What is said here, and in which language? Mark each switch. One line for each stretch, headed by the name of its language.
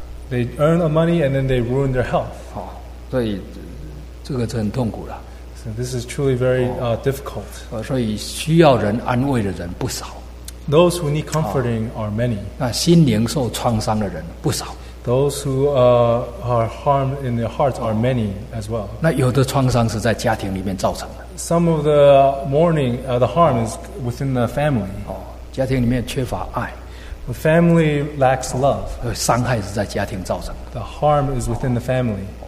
English: they earn the money and then they ruin their health.
Chinese: 哦, 所以, 这个是很痛苦的,
English: so this is truly very difficult.
Chinese: 哦, 所以需要人安慰的人,
English: those who need comforting are many.
Chinese: 那心灵受创伤的人,
English: those who are harmed in their hearts are many as well.
Chinese: 那有的创伤是在家庭里面造成的。
English: Some of the mourning, the harm is within the family.
Chinese: 家庭里面缺乏爱。
English: The family lacks love.
Chinese: 伤害是在家庭造成的。
English: The harm is within the family.